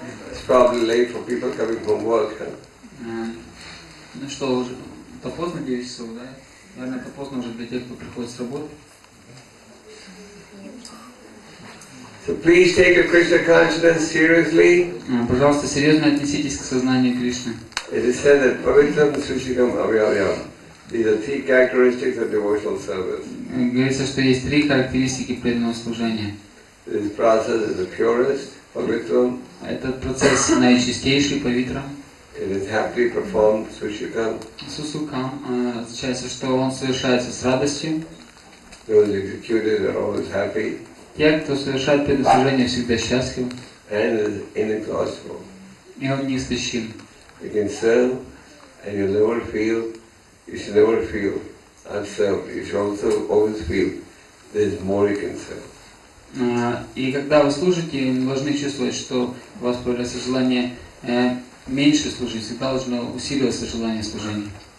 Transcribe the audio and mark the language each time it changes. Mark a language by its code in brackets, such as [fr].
[en] It's probably late for people coming from work, huh? [ru] Ну что, уже то поздно, 9 часов, да? Наверное, это поздно уже для тех, кто приходит с работы. [en] So please take your Krishna consciousness seriously. [ru] Пожалуйста, серьезно отнеситесь к сознанию Кришны. [en] It is said that pavitram, sushikam, avyayam. These are three characteristics of devotional service. [ru] Говорится, что есть три характеристики преданного служения. [en] This process is the purest, pavitram. [ru] Этот процесс наичистейший, pavitram. [en] It is happily performed, sushukam. [ru] Sushukam означает, что он совершается с радостью. [en] Those executed are always happy. [ru] Те, кто совершает предослужение, всегда счастлив. [en] And it is inexhaustible. [ru] И он не истощим. [en] You can serve, and you never feel. You should never feel unserved. You should also always feel there is more you can serve. [ru] И когда вы служите, вы должны чувствовать, что у вас появляется желание меньше служить, всегда должно усиливаться желание служения.